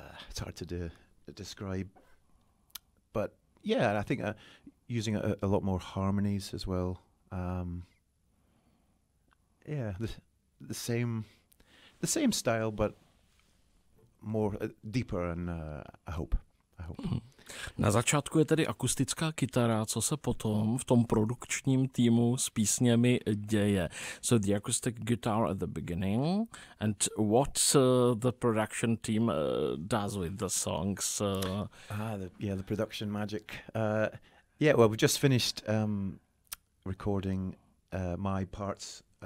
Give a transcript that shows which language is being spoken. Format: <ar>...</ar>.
<en>It's hard to describe, but yeah, I think using a lot more harmonies as well. The same style, but more deeper and I hope.</en> <cs>Na začátku je tedy akustická kytara, co se potom v tom produkčním týmu s písněmi děje.</cs> <en>So the acoustic guitar at the beginning, and what the production team does with the songs. The production magic. We've just finished recording my parts.</en>